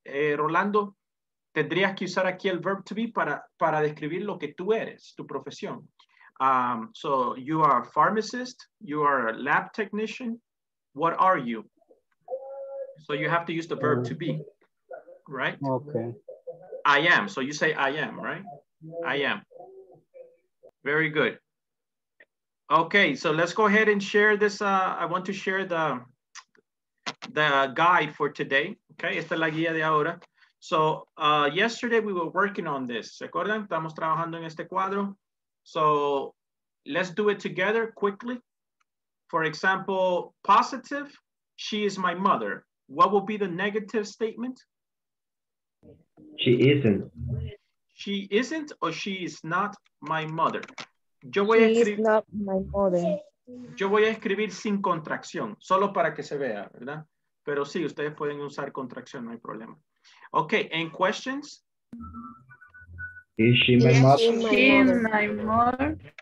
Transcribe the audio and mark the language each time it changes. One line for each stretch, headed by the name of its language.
Spanish: Rolando, tendrías que usar aquí el verb to be para describir lo que tú eres, tu profesión.
English: So you are a pharmacist, you are a lab technician. What are you? So you have to use the verb to be, right? Okay. I am. So you say I am, right? I am. Very good. Okay, so let's go ahead and share this. I want to share the guide for today. Okay,
Spanish: esta es la guía de ahora.
English: So, yesterday we were working on this.
Spanish: ¿Se acuerdan? Estamos trabajando en este cuadro.
English: So, let's do it together quickly. For example, positive, she is my mother. What will be the negative statement? She isn't. She isn't or she is not my mother.
Spanish: Yo voy a escribir sin contracción, solo para que se vea, ¿verdad? Pero sí, ustedes pueden usar contracción, no hay problema.
English: Okay, any questions? Is she my mother? She is my mother.